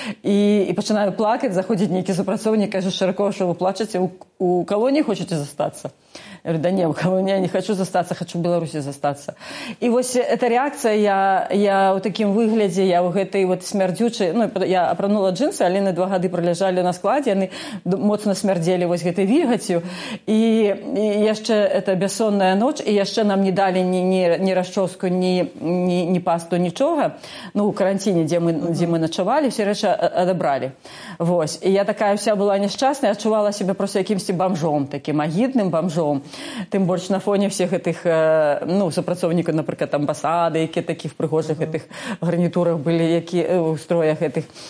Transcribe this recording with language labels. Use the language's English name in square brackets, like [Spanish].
[Ukrainian] І починаю плакати, заходить некий супрацовник, каже широко, що ви плачете, у колонії хочете залишитися? [Russian] Я говорю, да не, у колонии я не хочу застаться, хочу в Беларуси застаться. И вот эта реакция, я в таком выгляде, я в этой вот смердючей, ну, я опранула джинсы, они на 2 года пролежали на складе, они моцно смердели вот этой вильгатью. И еще это бессонная ночь, и еще нам не дали ни расческу, ни пасту, ничего. Ну, в карантине, где мы ночевали, все вещи отобрали. Вот. И я такая вся была несчастная, чувствовала себя просто каким-то бомжом, таким агидным бомжом. [Ukrainian] Тим більше на фоні всіх цих, ну, супрацовників, наприклад, амбасади, які такі в пригожих цих гарнітурах були, які у строях цих.